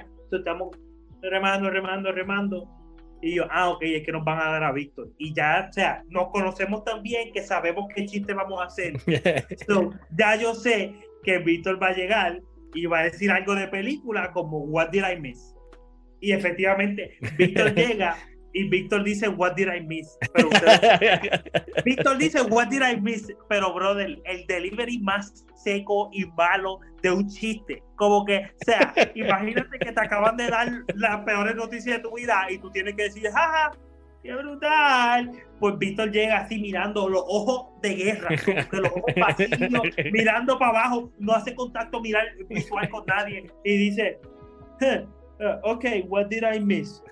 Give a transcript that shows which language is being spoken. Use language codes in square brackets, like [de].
[es] Entonces estamos remando. Y yo, ok, es que nos van a dar a Víctor. Y ya, o sea, nos conocemos tan bien que sabemos qué chiste vamos a hacer. So, ya yo sé que Víctor va a llegar y va a decir algo de película como, [en] what did I miss? [es] Y efectivamente, Víctor llega y Víctor dice, [en] what did I miss? [es] Pero Víctor dice, [en] what did I miss? [es] Pero, brother, el delivery más seco y malo de un chiste. Como que, o sea, imagínate que te acaban de dar las peores noticias de tu vida y tú tienes que decir, ja, ja, qué brutal. Pues Víctor llega así mirando los ojos de guerra, de los ojos vacíos, mirando para abajo, no hace contacto mirar visual con nadie y dice, ok, [en] what did I miss?